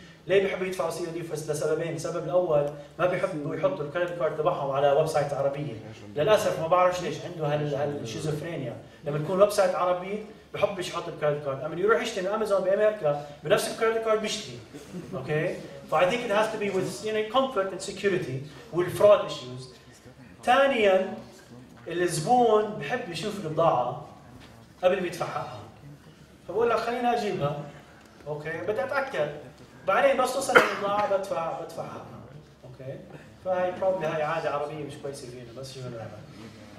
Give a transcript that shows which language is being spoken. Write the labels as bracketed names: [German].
[Arabic] ليه بيحبوا يدفعوا CD؟ لسببين. السبب الأول ما بيحبوا يحطوا الكريدت كارد تبعهم على ويبسايت عربية. للأسف ما بعرف ليش عنده هالشيزوفرينيا. لما تكون ويبسايت عربي بحب يحط الكريدت كارد. أما يروح يشتري من أمازون بأمريكا بنفس الكريدت كارد بيشتري. [English] Okay. So I think it has to be with you know comfort and security with fraud issues. [Arabic] ثانيا الزبون بحب يشوف البضاعة قبل ما يدفعها. فبقول لك خليني اجيبها. اوكي بدي اتاكد. بعدين بس توصل البضاعة بدفعها. اوكي فهي probably هاي عادة عربية مش كويسة فينا بس شو بدنا نعمل.